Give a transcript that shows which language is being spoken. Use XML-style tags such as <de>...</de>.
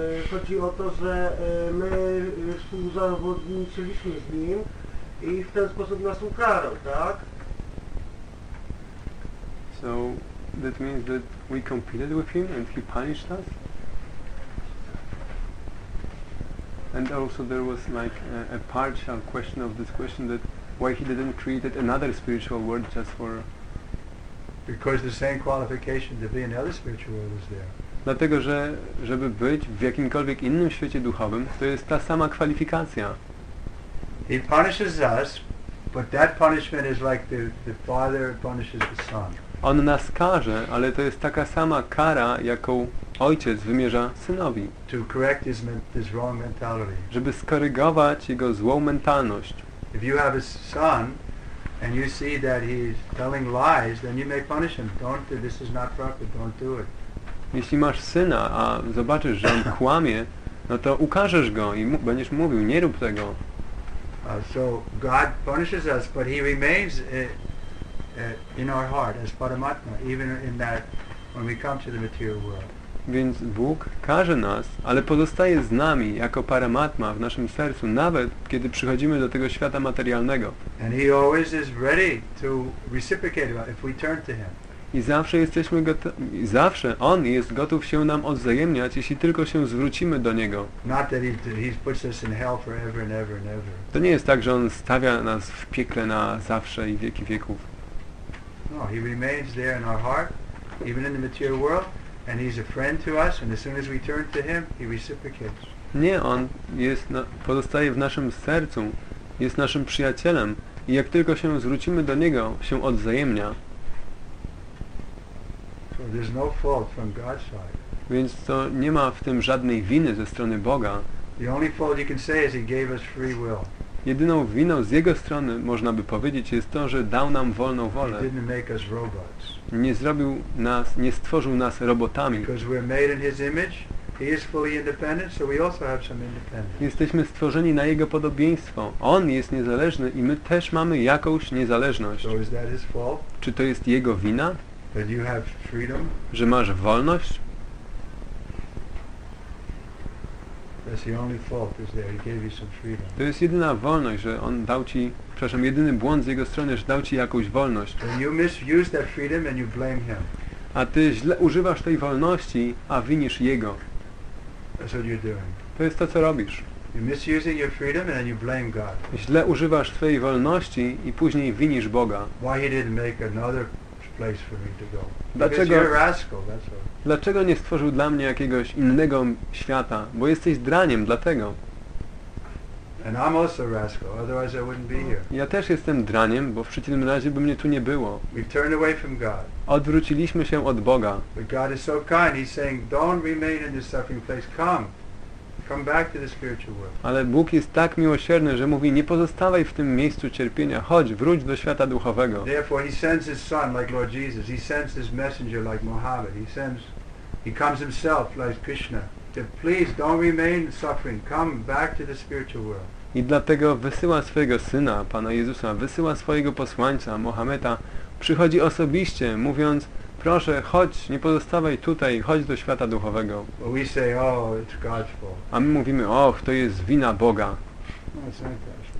<pl>chodzi o to, że my współzawodniczyliśmy z nim i w ten sposób nas ukarał, tak?</pl> <en>So that means that we competed with him and he punished us? And also there was like a partial question of this question, that why he didn't create another spiritual world just for... Because the same qualification to be in another spiritual world is there.</en> <pl>Dlatego, że żeby być w jakimkolwiek innym świecie duchowym, to jest ta sama kwalifikacja.</pl> <en>He punishes us, but that punishment is like the father punishes the son.</en> <pl>On nas karze, ale to jest taka sama kara, jaką ojciec wymierza synowi.</pl> <en>To correct his wrong mentality.</en> <pl>Żeby skorygować jego złą mentalność.</pl> <en>If you have a son and you see that he's telling lies, then you may punish him. Don't do this, is not proper, don't do it.</en> <pl>Jeśli masz syna, a zobaczysz, że on kłamie, no to ukażesz go i będziesz mówił, nie rób tego.</pl> <en>So God punishes us, but he remains in our heart as Paramatma, even in that when we come to the material world.</en> <pl>Więc Bóg karze nas, ale pozostaje z nami jako Paramatma w naszym sercu, nawet kiedy przychodzimy do tego świata materialnego.</pl> <en>And he always is ready to reciprocate if we turn to him.</en> <pl>I zawsze jesteśmy gotowi, zawsze on jest gotów się nam odwzajemniać, jeśli tylko się zwrócimy do niego.</pl> <en>Not that he puts us in hell forever and ever and ever.</en> <pl>To nie jest tak, że on stawia nas w piekle na zawsze i wieki wieków.</pl> <en>No, he remains there in our heart, even in the material world, and he's a friend to us, and as soon as we turn to him, he reciprocates.</en> <pl>Nie, on jest pozostaje w naszym sercu, jest naszym przyjacielem i jak tylko się zwrócimy do niego, się odwzajemnia.</pl> <en>There's no fault from God's side.</en> <pl>Więc to nie ma w tym żadnej winy ze strony Boga.</pl> <en>The only fault you can say is he gave us free will.</en> <pl>Jedyną winą z jego strony, można by powiedzieć, jest to, że dał nam wolną wolę.</pl> <en>He didn't make us robots.</en> <pl>Nie zrobił nas, nie stworzył nas robotami.</pl> <en>Because we're made in his image, he is fully independent, so we also have some independence.</en> <pl>Jesteśmy stworzeni na jego podobieństwo. On jest niezależny i my też mamy jakąś niezależność.</pl> <en>So is that his fault?</en> <pl>Czy to jest jego wina?</pl> <en>That you have freedom?</en> <pl>Że masz wolność?</pl> <en>That's the only fault is there. He gave you some freedom.</en> <pl>To jest jedyna wolność, że on dał ci, przepraszam, jedyny błąd z jego strony, że dał ci jakąś wolność.</pl> <en>And you misuse that freedom and you blame him.</en> <pl>A ty źle używasz tej wolności, a winisz jego.</pl> <en>That's what you're doing.</en> <pl>To jest to, co robisz.</pl> <en>You're misusing your freedom and then you blame God.</en> <pl>Źle używasz swojej wolności i później winisz Boga.</pl> <en>Why he didn't make another place for me to go.</en> <pl>Dlaczego?</pl> <en>Because you're a rascal, that's all.</en> <pl>Dlaczego nie stworzył dla mnie jakiegoś innego świata? Bo jesteś draniem, dlatego.</pl> <en>And I'm also a rascal, otherwise I wouldn't be here.</en> <pl>Ja też jestem draniem, bo w przeciwnym razie by mnie tu nie było.</pl> <en>We've turned away from God.</en> <pl>Odwróciliśmy się od Boga.</pl> <en>But God is so kind, he's saying, don't remain in this suffering place, come. Come back to the spiritual world.</en> <pl>Ale Bóg jest tak miłosierny, że mówi, nie pozostawaj w tym miejscu cierpienia, chodź, wróć do świata duchowego.</pl> <en>Therefore he sends his son like Lord Jesus, he sends his messenger like Muhammad, he comes himself like Krishna, to please don't remain in suffering, come back to the spiritual world.</en> <pl>I dlatego wysyła swojego syna, Pana Jezusa, wysyła swojego posłańca, Mohameda, przychodzi osobiście, mówiąc, proszę, chodź, nie pozostawaj tutaj, chodź do świata duchowego.</pl> <en>We say, oh, it's God's fault.</en> <pl>A my mówimy, och, to jest wina Boga.</pl> <en>No, it's not God's fault.</en>